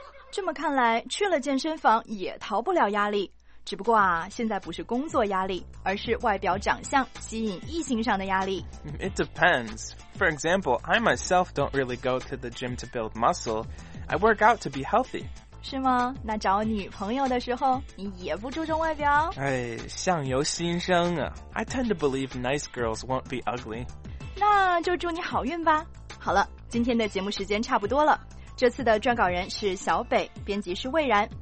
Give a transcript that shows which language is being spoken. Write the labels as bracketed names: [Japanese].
[Chinese] 这么看来，去了健身房也逃不了压力。只不过啊，现在不是工作压力，而是外表长相吸引异性上的压力。 [English] It depends. For example, I myself don't really go to the gym to build muscle. I work out to be healthy. [Chinese] 是吗？那找女朋友的时候，你也不注重外表？哎，相由心生啊。 [English] I tend to believe nice girls won't be ugly. [Chinese] 那就祝你好运吧。好了，今天的节目时间差不多了。这次的撰稿人是小北，编辑是蔚然。